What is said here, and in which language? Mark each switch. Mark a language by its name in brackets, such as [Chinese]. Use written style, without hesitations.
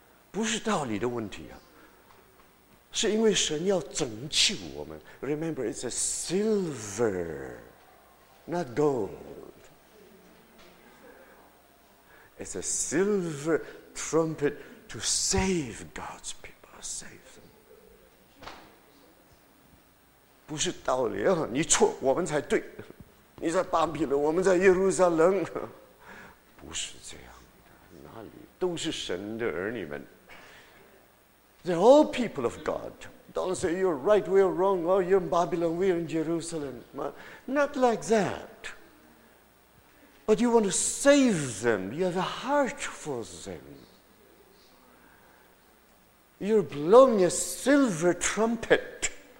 [Chinese] 不是道理的问题啊。是因为神要拯救我们。 [English] Remember, it's a silver, not gold. It's a silver trumpet to save God's people, save them. [Chinese] 不是道理啊，你错，我们才对。你在巴比伦，我们在耶路撒冷。不是这样的，哪里都是神的儿女们。 [English] They're all people of God. Don't say you're right, we're wrong, or you're in Babylon, we're in Jerusalem. Not like that. But you want to save them. You have a heart for them. You're blowing a silver trumpet.